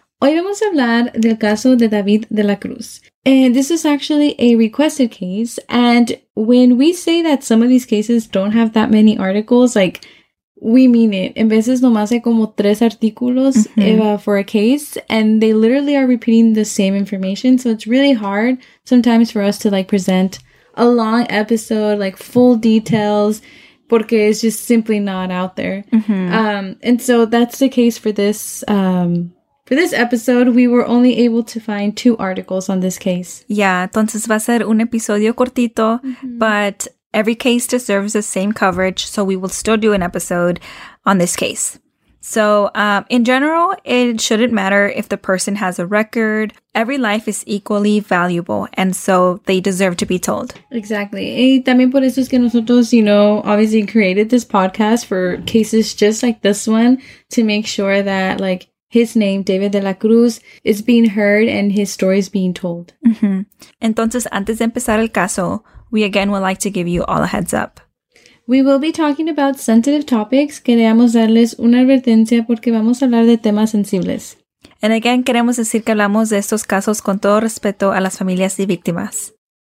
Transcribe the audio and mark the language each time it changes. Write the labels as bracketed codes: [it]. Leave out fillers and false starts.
[es] Hoy vamos a hablar del caso de David de la Cruz. [en] And this is actually a requested case. And when we say that some of these cases don't have that many articles, like, we mean it. [es] En veces nomás hay como tres artículos [en] for a case. And they literally are repeating the same information. So it's really hard sometimes for us to, like, present a long episode, like full details, porque it's just simply not out there. And so that's the case for this episode. We were only able to find two articles on this case. Yeah, [es] entonces va a ser un episodio cortito, [en] but every case deserves the same coverage, so we will still do an episode on this case. So, in general, it shouldn't matter if the person has a record. Every life is equally valuable, and so they deserve to be told. Exactly. [es] Y también por eso es que nosotros, [en] you know, obviously created this podcast for cases just like this one to make sure that, like, his name, David de la Cruz, is being heard and his story is being told. Mm-hmm. [es] Entonces, antes de empezar el caso, [en] we again would like to give you all a heads up. We will be talking about sensitive topics. [es] Queremos darles una advertencia porque vamos a hablar de temas sensibles. [en] And again, [es] queremos decir que hablamos de estos casos con todo respeto a las familias y víctimas.